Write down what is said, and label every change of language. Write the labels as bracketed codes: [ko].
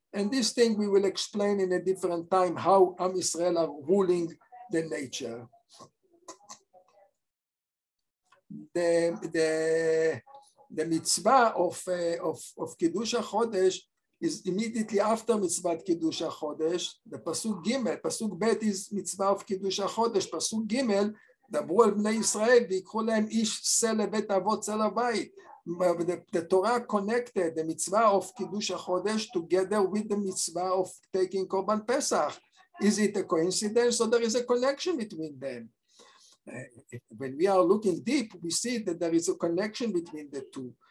[en] And this thing we will explain in a different time, how Am Yisrael are ruling the nature. The mitzvah of Kiddush HaChodesh is immediately after mitzvah Kiddush HaChodesh. The Pasuk Gimel, Pasuk Bet is mitzvah of Kiddush HaChodesh. [he] Pasuk Gimel, דברו אל בני ישראל ויקחו להם איש סל לבית אבות סל הבית. [en] The Torah connected the mitzvah of Kiddush HaChodesh together with the mitzvah of taking Korban Pesach. Is it a coincidence? So there is a connection between them. When we are looking deep, we see that there is a connection between the two.